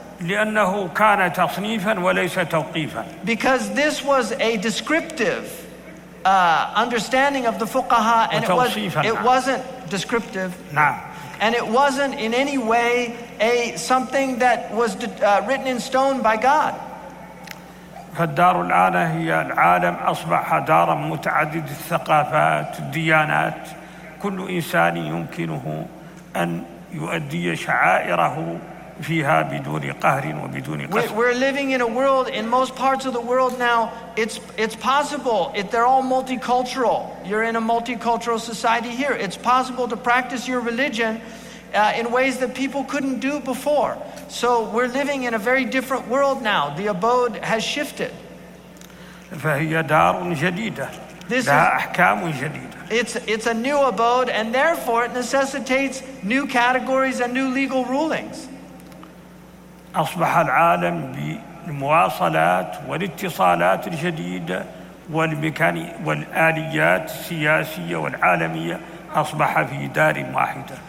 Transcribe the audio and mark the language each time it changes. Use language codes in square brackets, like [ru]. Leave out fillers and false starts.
[ar] لأنه كان تصنيفا وليس توقيفا. [en] Because this was a descriptive understanding of the fuqaha and it wasn't descriptive. [ar] نعم. [en] And it wasn't in any way a something that was written in stone by God. [ar] فالدار الآن هي العالم أصبح دارا متعدد الثقافات الديانات كل إنسان يمكنه أن يؤدي شعائره فيها بدون قهر وبدون قسوة. [en] We're living in a world in most parts of the world now. It's possible. They're all multicultural. You're in a multicultural society here. It's possible to practice your religion in ways that people couldn't do before. So we're living in a very different world now. The abode has shifted. [ar] فهي دار جديدة. [en] This [ar] لها أحكام جديدة. [en] It's a new abode, and therefore it necessitates new categories and new legal rulings. [ar] أصبح العالم بالمواصلات والاتصالات الجديدة والآليات السياسية والعالمية أصبح في دار واحدة.